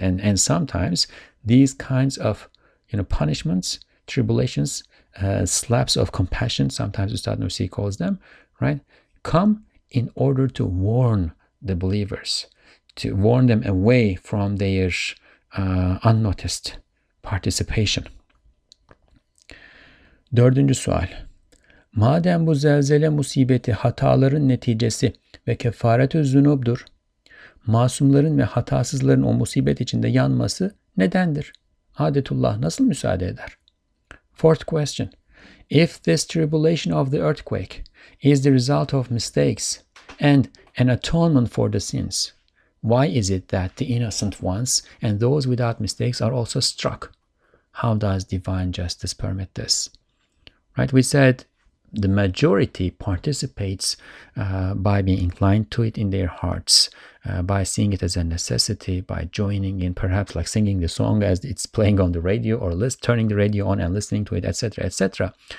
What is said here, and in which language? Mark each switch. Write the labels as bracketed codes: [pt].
[en] And sometimes these kinds of, you know, punishments, tribulations, slaps of compassion, sometimes Ustad Nursi calls them, right, come in order to warn the believers, to warn them away from their unnoticed participation. [tr] Dördüncü sual. Madem bu zelzele musibeti hataların neticesi ve kefaret-ü zunubdur, masumların ve hatasızların o musibet içinde yanması nedendir? Adetullah nasıl müsaade eder? [en] Fourth question. If this tribulation of the earthquake is the result of mistakes and an atonement for the sins, why is it that the innocent ones and those without mistakes are also struck? How does divine justice permit this? Right, we said the majority participates by being inclined to it in their hearts, by seeing it as a necessity, by joining in, perhaps like singing the song as it's playing on the radio, or turning the radio on and listening to it, etc., etc. Right?